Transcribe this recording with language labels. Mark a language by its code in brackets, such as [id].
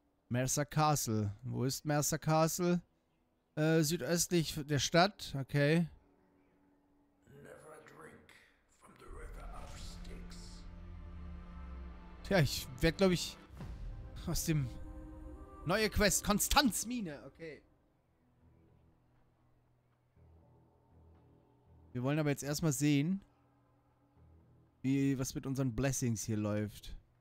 [de] Mercer Castle. Wo ist Mercer Castle? Südöstlich der Stadt, okay. [en] Never drink from the river of Styx. [de] Tja, ich werde, glaube ich, aus dem neue Quest Konstanzmine, okay. Wir wollen aber jetzt erstmal sehen, wie was mit unseren Blessings hier läuft.